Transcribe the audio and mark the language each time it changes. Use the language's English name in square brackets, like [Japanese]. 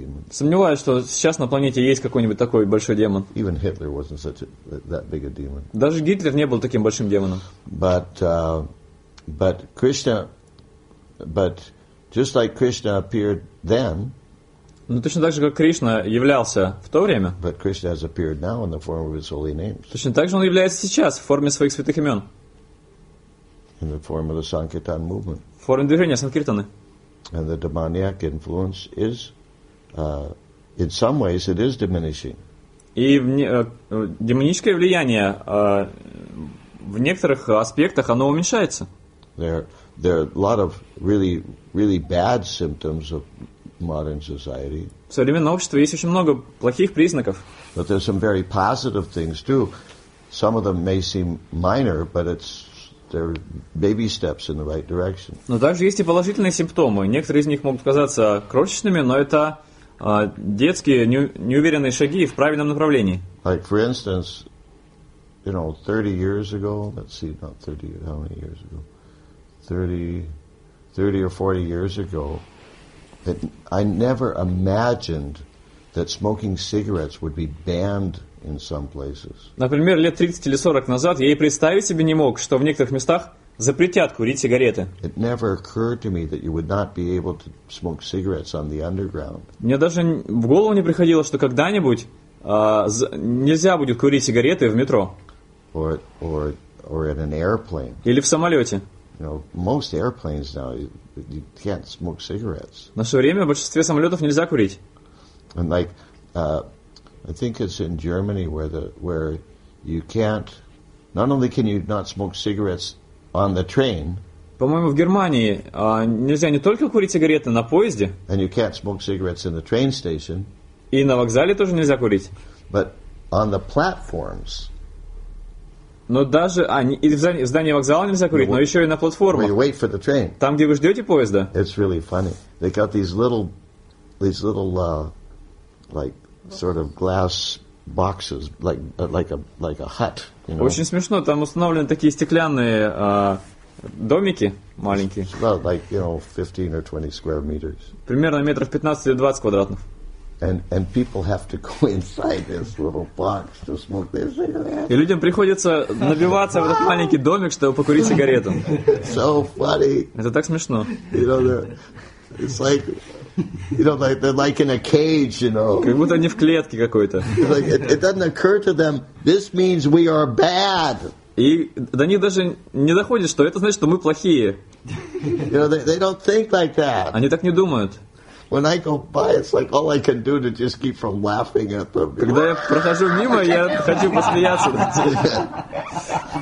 [Russian] Сомневаюсь, что сейчас на планете есть какой-нибудь такой большой демон. [English] Even Hitler wasn't such that big a demon. [Russian] Даже Гитлер не был таким большим демоном. [English] But Krishna, but just like Krishna appeared then. [Russian] Но точно так же, как Кришна являлся в то время. [English] But Krishna has appeared now in the form of his holy names. [Russian] Точно так же он является сейчас в форме своих святых имен. [English] In the form of the Sankirtan movement. [Russian] В форме движения Санкиртаны. [English] And the demoniac influence is, in some ways, it is diminishing. [Russian] И демоническое влияние в некоторых аспектах оно уменьшается. [English] There are a lot of really, really bad symptoms of modern society. [Russian] В современном обществе есть очень много плохих признаков. [English] But there's some very positive things too. Some of them may seem minor, but it's there are baby steps in the right direction. [Russian] Но также есть и положительные симптомы. Некоторые из них могут казаться крошечными, но это детские неуверенные шаги в правильном направлении. [English] Like for instance, you know, 30 years ago, let's see, not 30, how many years ago? 30 or 40 years ago, I never imagined that smoking cigarettes would be banned. In some places. [Russian] Например, лет 30 или 40 назад я и представить себе не мог, что в некоторых местах запретят курить сигареты. [English] It never occurred to me that you would not be able to smoke cigarettes on the underground. [Russian] Мне даже в голову не приходило, что когда-нибудь нельзя будет курить сигареты в метро. [English] Or in an airplane. [Russian] Или в самолете. [English] You know, most airplanes now you can't smoke cigarettes. [Russian] В наше время в большинстве самолетов нельзя курить. [English] And like, I think it's in Germany where you can't, not only can you not smoke cigarettes on the train. [Russian] По-моему, в Германии нельзя не только курить сигареты на поезде. [English] And you can't smoke cigarettes in the train station. [Russian] И на вокзале тоже нельзя курить. [English] But on the platforms. [Russian] Но даже и в здании вокзала нельзя курить, но еще и на платформах. [English] Where you wait for the train. [Russian] Там, где вы ждете поезда. [English] It's really funny. They got these little sort of glass boxes, like a hut. You know? [Russian] Очень смешно. Там установлены такие стеклянные домики маленькие. [English] About like, you know, 15 or 20 square meters. [Russian] Примерно метров 15 или 20 квадратных. [English] And people have to go inside this little box to smoke their cigarettes. [Russian] И людям приходится набиваться в этот маленький домик, чтобы покурить сигарету. [English] So funny. [Russian] Это так смешно. [English] It's like, they're like in a cage, [Russian] Как будто они в клетке какой-то. [English] It doesn't occur to them. This means we are bad. [Russian] И до них даже не доходит, что это значит, что мы плохие. [English] They don't think like that. [Russian] Они так не думают. [English] When I go by, it's like all I can do to just keep from laughing at them. [Russian] Когда я прохожу мимо, я хочу посмеяться над ними.